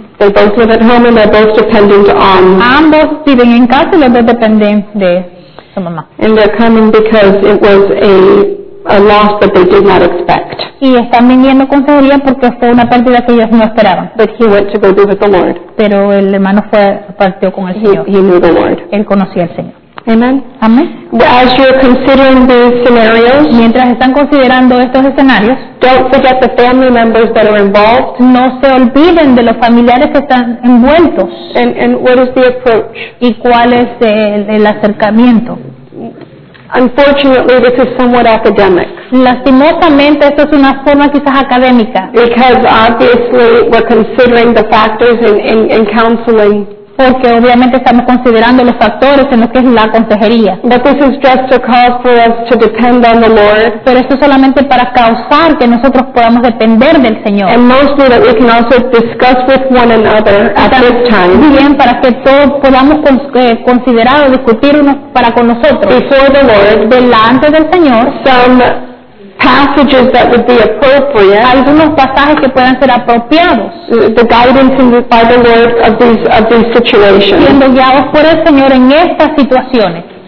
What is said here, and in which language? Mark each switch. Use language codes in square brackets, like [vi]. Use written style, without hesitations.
[en] They both live at home and they're both dependent on. [es] Ambos viven en casa y los dos dependen de su mamá. [en] And they're coming because it was a loss that they did not expect. [es] Y están viniendo con consejería porque fue una pérdida que ellos no esperaban. [en] But he went to go be with the Lord. [es] Pero el hermano partió con el Señor. [en] He knew the Lord. [es] Él conocía al Señor. [en] Amen. [es] Amen. [en] As you're considering these scenarios, [es] mientras están considerando estos escenarios, [en] don't forget the family members that are involved. [es] No se olviden de los familiares que están envueltos. [en] And what is the approach? [es] ¿Y cuál es el acercamiento? [en] Unfortunately, this is somewhat academic. [es] Lastimosamente, esto es una forma quizás académica. [en] Because obviously, we're considering the factors in counseling. [es] Porque obviamente estamos considerando los factores en lo que es la consejería. [en] But this is just a cause for us to depend on the Lord. [es] Pero esto es solamente para causar que nosotros podamos depender del Señor. [en] And mostly that we can also discuss with one another at this time. [es] Bien, para que todos podamos considerar o discutir unos para con nosotros. [en] Before the Lord, [es] delante del Señor. [en] Some passages that would be appropriate. [es] Algunos pasajes que puedan ser apropiados. [en] The guidance by the Lord of these situations. [es] Siendo guiados por el Señor en estas situaciones.